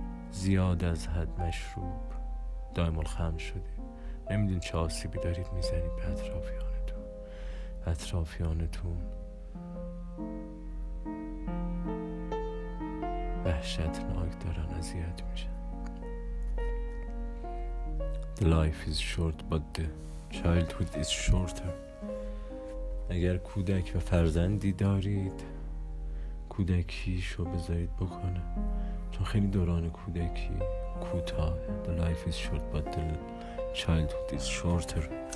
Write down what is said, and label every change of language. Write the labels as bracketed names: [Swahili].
[Persian] زیاد از حد مشروب دائم الخمر شدید نمیدین چه آسیبی دارید میزنید به اطرافیانتون اطرافیانتون وحشتناک دارن اذیت میشن. [English] The life is short but the childhood is shorter. [Persian] اگر کودک و فرزندی دارید، کودکیشو بذارید بکنه، چون خیلی دوران کودکی کوتاه. [English] The life is short but the childhood is shorter.